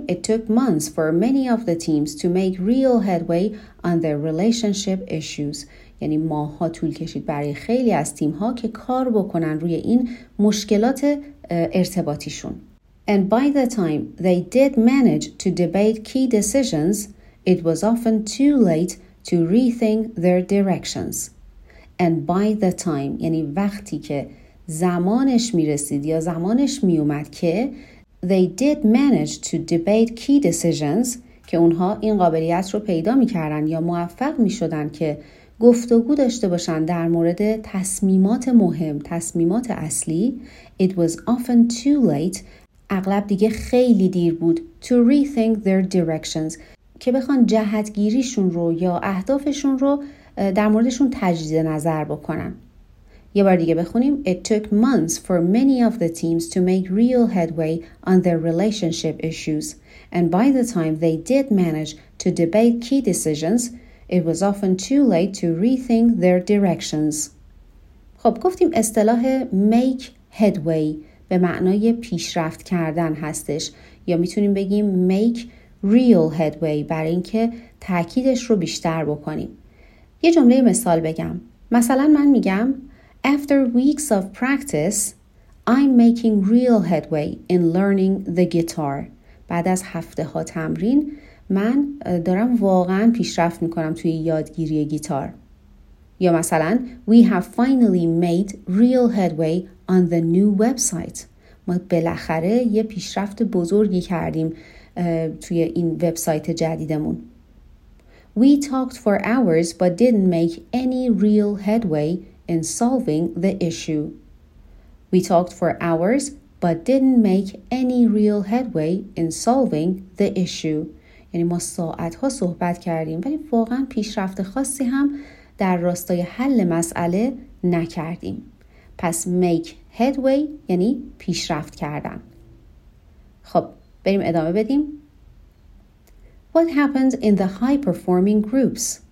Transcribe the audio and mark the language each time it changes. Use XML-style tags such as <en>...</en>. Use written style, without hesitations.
<en>It took months for many of the teams to make real headway on their relationship issues.</en> <fa>یعنی ماه‌ها طول کشید برای خیلی از تیم‌ها که کار بکنن روی این مشکلات ارتباطیشون.</fa> <en>And by the time they did manage to debate key decisions, it was often too late to rethink their directions. And by the time,</en> <fa>یعنی وقتی که زمانش میرسید یا زمانش میومد که</fa> <en>they did manage to debate key decisions،</en> <fa>که اونها این قابلیت رو پیدا میکردن یا موفق میشدن که گفتگو داشته باشن در مورد تصمیمات مهم، تصمیمات اصلی،</fa> <en>it was often too late،</en> <fa>اغلب دیگه خیلی دیر بود،</fa> <en>to rethink their directions،</en> <fa>که بخوان جهتگیریشون رو یا اهدافشون رو در موردشون تجدید نظر بکنن. یه بار دیگه بخونیم،</fa> <en>it took months for many of the teams to make real headway on their relationship issues، and by the time they did manage to debate key decisions, it was often too late to rethink their directions.</en> <fa>خب گفتیم اصطلاح make headway به معنای پیشرفت کردن هستش، یا میتونیم بگیم make real headway برای اینکه تاکیدش رو بیشتر بکنیم. یه جمله مثال بگم. مثلا من میگم</fa> <en>After weeks of practice, I'm making real headway in learning the guitar.</en> <fa>بعد از هفته ها تمرین من دارم واقعا پیشرفت میکنم توی یادگیری گیتار. یا مثلا</fa> <en>We have finally made real headway on the new website.</en> <fa>ما بالاخره یه پیشرفت بزرگی کردیم توی این وبسایت جدیدمون.</fa> <en>We talked for hours but didn't make any real headway in solving the issue. We talked for hours but didn't make any real headway in solving the issue.</en> <fa>یعنی ما ساعت ها صحبت کردیم ولی واقعا پیشرفت خاصی هم در راستای حل مسئله نکردیم. پس make headway یعنی پیشرفت کردن. خب بریم ادامه بدیم.</fa> <en>What happened in the high performing groups?</en>